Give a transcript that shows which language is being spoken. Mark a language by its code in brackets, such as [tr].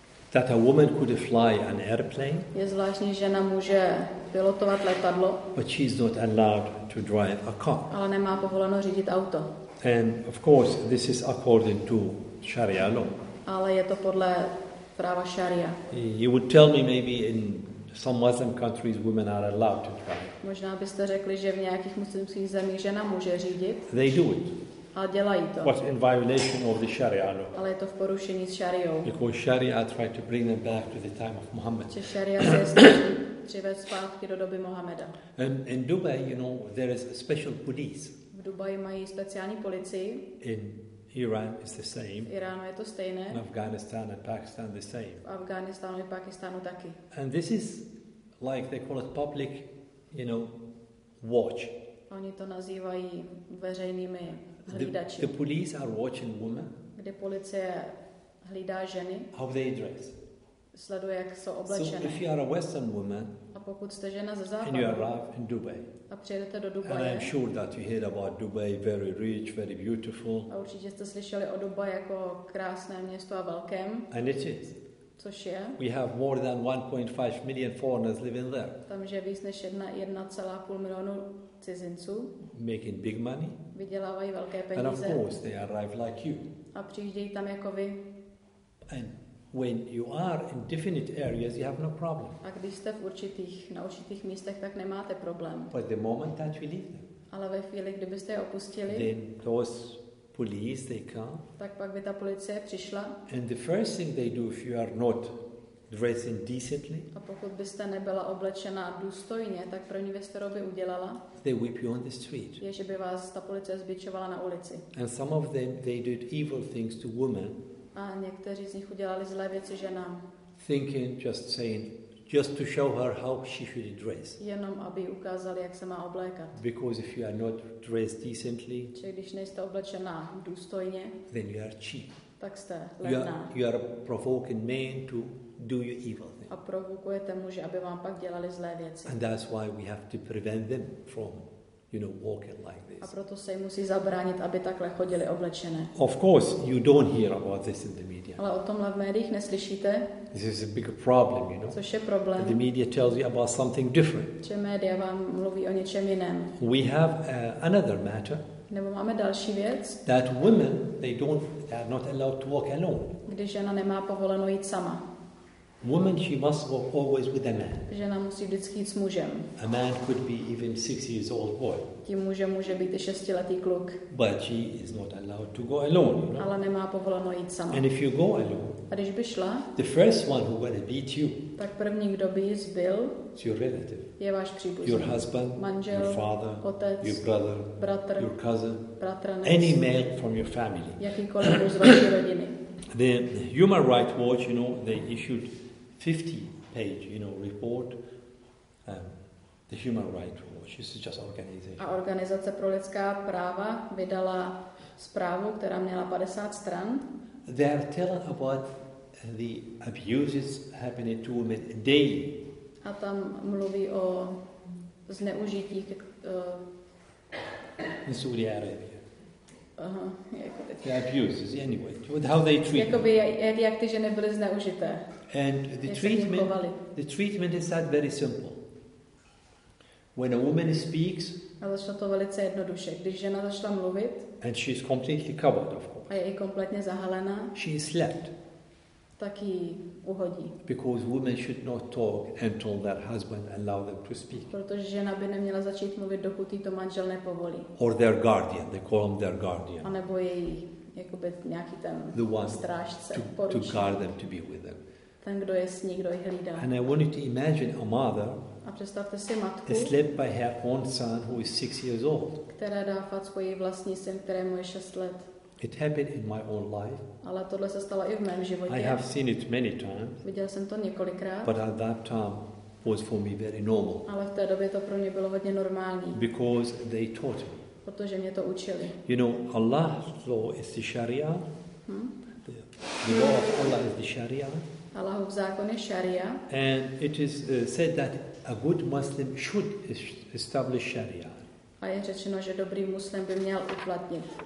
[en] That a woman could fly an airplane. [cs] Je zvláštní, že žena může pilotovat letadlo. [en] But she is not allowed to drive a car. [cs] Ale nemá povoleno řídit auto. [en] And of course, this is according to Sharia law. [cs] Ale je to podle práva Sharia. [en] You would tell me maybe in some Muslim countries women are allowed to drive. [cs] Možná byste řekli, že v nějakých muslimských zemích žena může řídit. [en] They do it. [cs] A dělají to. [en] What's in violation of the Sharia law? [cs] Ale je to v porušení s Shariou. [en] Because Sharia tried to bring them back to the time of Muhammad. [cs] Že Sharia se snaží přivést zpátky do doby Mohameda. [en] In Dubai, you know, there is special police. [cs] V Dubaji mají speciální policii. [en] In Iran is the same. [cs] V Iránu je to stejné. [en] In Afghanistan and Pakistan the same. [cs] V Afghánistánu i Pakistánu taky. [en] And this is like they call it public, you know, watch. [cs] Oni to nazývají veřejnými hlídači. [en] The police are watching women. [cs] Kde policie hlídá ženy. [en] How they dress. [cs] Sleduje, jak jsou oblečené. [en] So if you are a Western woman, [cs] a pokud jste žena ze západu, [en] and you arrive in Dubai, [cs] a přijedete do Dubaje, [en] and I'm sure that you heard about Dubai, very rich, very beautiful. [cs] A určitě jste slyšeli o Dubaji jako krásné město a velkém. [en] And it is. [cs] Což je? [en] We have more than 1.5 million foreigners living there. [cs] Tam je víc než 1,5 milionu cizinců. [en] Making big money. [cs] Vydělávají velké peníze. [en] And of course they arrive like you. [cs] A přijíždějí tam jako vy. [en] And when you are in definite areas, you have no problem. [cs] A když jste v určitých, na určitých místech, tak nemáte problém. [en] But the moment that you leave them. [cs] Ale ve chvíli, kdybyste je opustili. [en] Then those police, they come. [cs] Tak pak by ta policie přišla. [en] And the first thing they do if you are not dressing decently. [cs] A pokud byste nebyla oblečena důstojně, tak první věc, kterou by udělala. [en] They whip you on the street. [cs] Je, že by vás ta policie zbičovala na ulici. [en] And some of them, they did evil things to women. [cs] A někteří z nich udělali zlé věci ženám. [en] Thinking, just saying, just to show her how she should dress. [cs] Jenom aby ukázali, jak se má oblékat. [en] Because if you are not dressed decently, [cs] že když nejste oblečená důstojně, [en] then you are cheap. [cs] Tak jste levná. [en] You are provoking men to do you evil things. [cs] A provokujete muže, aby vám pak dělali zlé věci. [en] And that's why we have to prevent them from, you know, walking like this. [cs] A proto se jim musí zabránit, aby takhle chodili oblečené. [en] Of course, you don't hear about this in the media. [cs] Ale o tomhle v médiích neslyšíte. [en] This is a big problem, you know. [cs] Což je problém. [en] The media tells you about something different. [cs] Že média vám mluví o něčem jiném. [en] We have another matter. [cs] Nebo máme další věc. [en] That women, they are not allowed to walk alone. [cs] Kdy žena nemá povoleno jít sama. [en] Woman, she must walk always with a man. [cs] Žena musí vždycky jít s mužem. [en] A man could be even 6 years old boy. [cs] Tím mužem může být i 6letý kluk. [en] But she is not allowed to go alone. You know? [cs] Ale nemá povoleno jít sama. [en] And if you go alone, [cs] a když by šla, [en] the first one who gonna beat you, [cs] tak první, kdo by jí zbil, [en] it's your relative. [cs] Je váš příbuzný. [en] Your husband, [cs] manžel, [en] your father, [cs] otec, [en] your brother, [cs] bratr, [en] your cousin, [cs] bratranec, [en] any male from your family. [cs] Jakýkoliv z vaší rodiny. [en] The Human Rights Watch, you know, they issued 50-page, you know, report. The Human Rights Watch. This is just organization. [cs] A organizace pro lidská práva vydala zprávu, která měla 50 stran. [en] They are telling about the abuses happening to women daily. [cs] A tam mluví o zneužití k [en] in Saudi Arabia. Uh-huh. The abuses, anyway. How they treat [cs] jakoby, [en] them. [cs] Jak ty ženy byly zneužité. [en] And the treatment is that very simple. When a woman speaks, [cs] a začala to velice jednoduše. Když žena začala mluvit, [en] and she is completely covered, of course. [cs] A je i kompletně zahalená, [en] she is slapped. [cs] Tak jí uhodí. [en] Because women should not talk until their husband allow them to speak. [cs] Protože žena by neměla začít mluvit, dokud jí to manžel nepovolí. [en] Or their guardian, they call them their guardian. [cs] A nebo její jakoby nějaký ten [en] the one [cs] strážce, [en] to guard them, to be with them. [cs] Ten, kdo je s ní, kdo je hlídá. [en] And I want you to imagine a mother. [cs] A představte si matku. [en] Is slapped by her own son who is 6 years old. [cs] Která dá facku její vlastní syn, kterému je 6 let. [en] It happened in my own life. [cs] Ale tohle se stalo i v mém životě. [en] I have seen it many times. [cs] Viděl jsem to několikrát. [en] But at that time was for me very normal. [cs] Ale v té době to pro mě bylo hodně normální. [en] Because they taught me. [cs] Protože mě to učili. [en] You know, Allah's law is the Sharia. The law of Allah is the Sharia. [cs] Allahův zákon je Sharia. [en] And it is said that a good Muslim should establish Sharia. [cs] A je řečeno, že dobrý muslim by měl uplatnit.